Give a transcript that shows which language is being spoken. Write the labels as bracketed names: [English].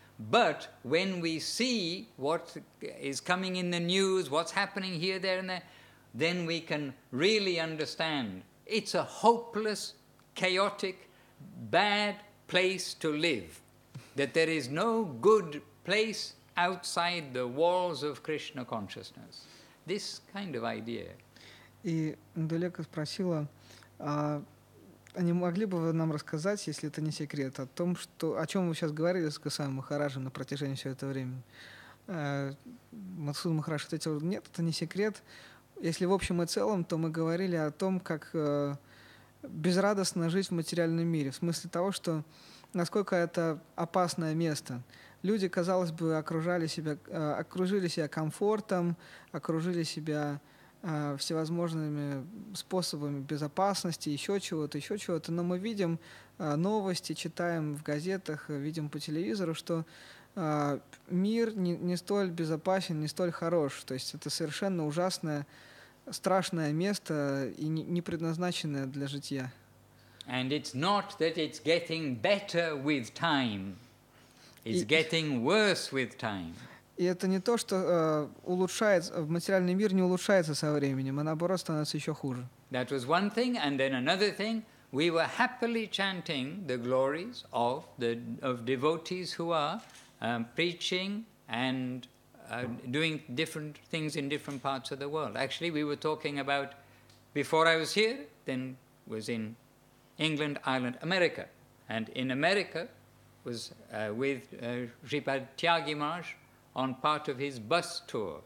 [English] But when we see what is coming in the news, what's happening here, there, and there, then we can really understand. It's a hopeless, chaotic, bad place to live. That there is no good place outside the walls of Krishna consciousness. This kind of idea. [Russian] И Далека спросила, а не могли бы вы нам рассказать, если это не секрет, о том, что, о чем вы сейчас говорили с Госвами Махараджем на протяжении всего этого времени? Мацуд Махарадж ответил, нет, это не секрет. Если в общем и целом, то мы говорили о том, как безрадостно жить в материальном мире, в смысле того, что насколько это опасное место. Люди, казалось бы, окружили себя комфортом, окружили себя всевозможными способами безопасности, еще чего-то. Но мы видим новости, читаем в газетах, видим по телевизору, что мир не столь безопасен, не столь хорош. То есть это совершенно ужасное, страшное место и не предназначенное для житья. [English] And it's not that it's getting better with time. It's getting worse with time. [Russian] И это не то, что улучшается, в материальный мир не улучшается со временем, а наоборот становится еще хуже. [English] That was one thing, and then another thing. We were happily chanting the glories of devotees who are preaching and doing different things in different parts of the world. Actually, we were talking about before I was here, then was in England, Ireland, America, and in America was with Sripad Tyagi Maharaj on part of his bus tour.